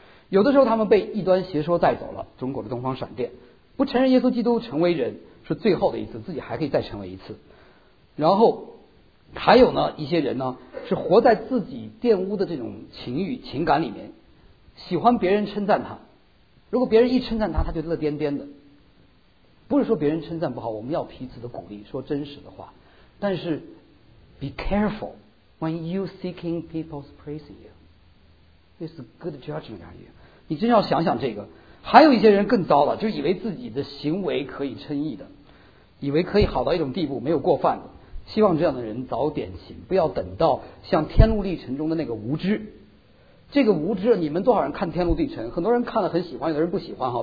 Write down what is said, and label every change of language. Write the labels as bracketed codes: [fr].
[zh] 有的时候他们被异端邪说带走了，中国的东方闪电，不承认耶稣基督成为人是最后的一次，自己还可以再成为一次。然后还有呢，一些人呢是活在自己玷污的这种情欲情感里面，喜欢别人称赞他，如果别人一称赞他，他就乐颠颠的。不是说别人称赞不好，我们要彼此的鼓励，说真实的话，但是 [en] be careful when you seeking people's praising you, it's a good judgment on you. [zh] 你真要想想这个。还有一些人更糟了，就以为自己的行为可以称义的，以为可以好到一种地步没有过犯的。希望这样的人早点醒，不要等到像天路历程中的那个无知。这个无知，你们多少人看天路历程？很多人看了很喜欢，有的人不喜欢哈。